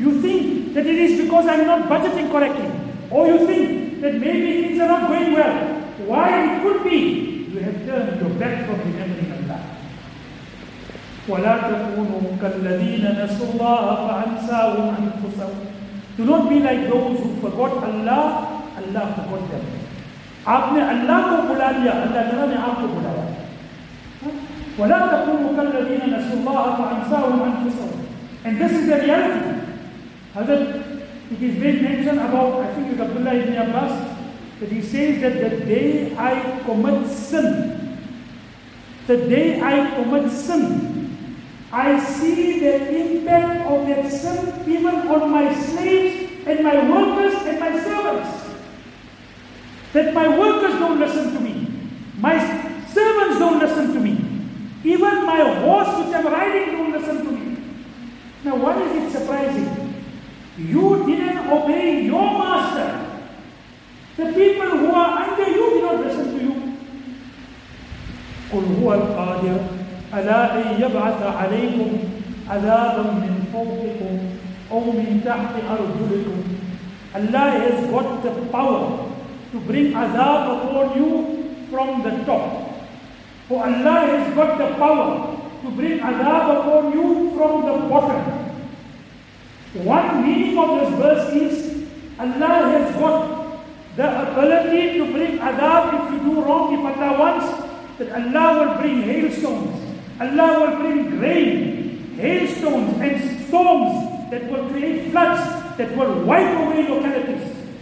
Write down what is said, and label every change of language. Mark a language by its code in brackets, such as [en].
[en] You think that it is because I'm not budgeting correctly. Or you think that maybe things are not going well. Why it could be, you have turned your back from the enemy of Allah. [ar] وَلَا تَكُونُوا كَالَّذِينَ نَسُوا اللَّهَ فَأَنْسَاهُمْ أَنْفُسَهُمْ [en] Do not be like those who forgot Allah. Allah forgot them. [hi] आपने अल्लाह को बुला लिया, अल्लाह तआला ने आपको बुलाया. [ar] وَلَا تَكُونُوا كَالَّذِينَ نَسُوا اللَّهَ فَأَنْسَاهُمْ أَنْفُسَهُمْ [en] And this is the reality. Hazrat, it is made mention about, I think it's Abdullah ibn Abbas, that he says that the day I commit sin, the day I commit sin, I see the impact of that sin even on my slaves and my workers and my servants. That my workers don't listen to me. My servants don't listen to me. Even my horse which I'm riding don't listen to me. Now what is it surprising? You didn't obey your master. The people who are under you did not listen to you. [ar] قُلْ هُوَ الْقَادِرُ أَلَا أَنْ يَبْعَثَ عَلَيْكُمْ عَذَابًا مِّن فَوْقِكُمْ أَوْ مِّن تَحْتِ أَرْجُلِكُمْ [en] Allah has got the power to bring azab upon you from the top. For Allah has got the power to bring azab upon you from the bottom. One meaning of this verse is Allah has got the ability to bring azab if you do wrong, if Allah wants. That Allah will bring hailstones, Allah will bring rain, hailstones and storms that will create floods that will wipe away your characters.